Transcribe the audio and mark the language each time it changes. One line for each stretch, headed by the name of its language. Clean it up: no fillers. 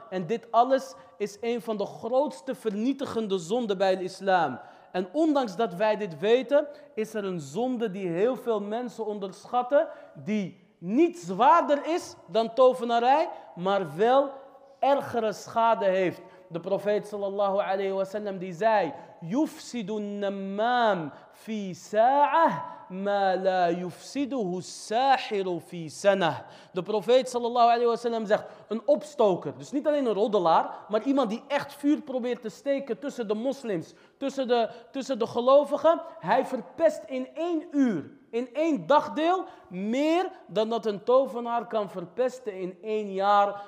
Dutch: En dit alles is een van de grootste vernietigende zonden bij de islam. En ondanks dat wij dit weten, is er een zonde die heel veel mensen onderschatten, die niet zwaarder is dan tovenarij, maar wel ergere schade heeft. De profeet sallallahu alayhi wa sallam die zei,
Arabic: يفسد النمام في ساعة ما لا يفسده الساحر في سنة.
Dutch: De profeet sallallahu alayhi wa sallam zegt, een opstoker, dus niet alleen een roddelaar, maar iemand die echt vuur probeert te steken tussen de moslims, tussen de gelovigen, hij verpest in 1 uur, in 1 dagdeel, meer dan dat een tovenaar kan verpesten in 1 jaar.